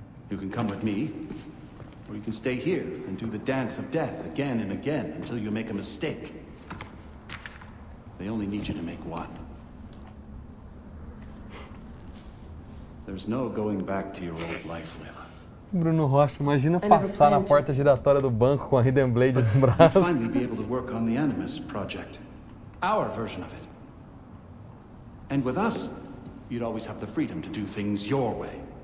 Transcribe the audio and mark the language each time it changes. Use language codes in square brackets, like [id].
[en] You can come with me, or you can stay here and do the dance of death again and again until you make a mistake. They only need you to make one. There's no going back to your old life, Leila. [pt] Bruno Rocha, imagina passar na porta giratória do banco com a Hidden Blade no braço. [en] You'll finally be able to work on the Animus project. Our version of it. And with us, you'd always have the freedom to do things your way.